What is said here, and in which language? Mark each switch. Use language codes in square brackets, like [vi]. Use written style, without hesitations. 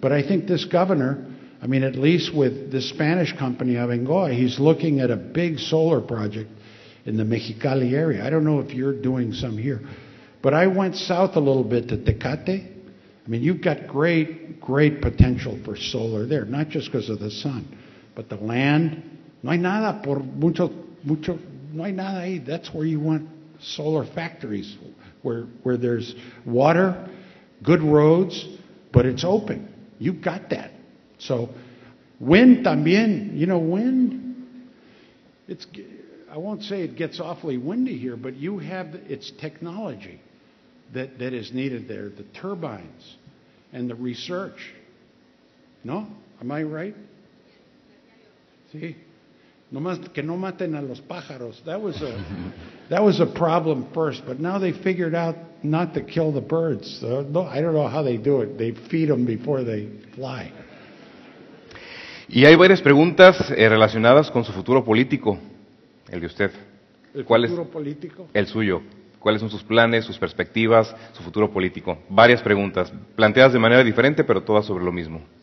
[en] But I think this governor, I mean, at least with the Spanish company, Abengoa, he's looking at a big solar project in the Mexicali area. I don't know if you're doing some here. But I went south a little bit to Tecate. I mean, you've got great, great potential for solar there, not just because of the sun, but the land. [es] No hay nada por mucho, mucho, no hay nada ahí. [en] That's where you want solar factories, where there's water, good roads, but it's open. You've got that. So wind también, you know, wind, it's, I won't say it gets awfully windy here, but you have, it's technology that is needed there, the turbines and the research. No? Am I right? [es] Sí. No más que no maten a los pájaros. [en] That was a problem first, but now they figured out not to kill the birds. No, I don't know how they do it. They feed them before they fly. [es] Y hay varias preguntas relacionadas con su futuro político, el de usted. ¿Cuál es el futuro político? El suyo. ¿Cuáles son sus planes, sus perspectivas, su futuro político? Varias preguntas, planteadas de manera diferente, pero todas sobre lo mismo.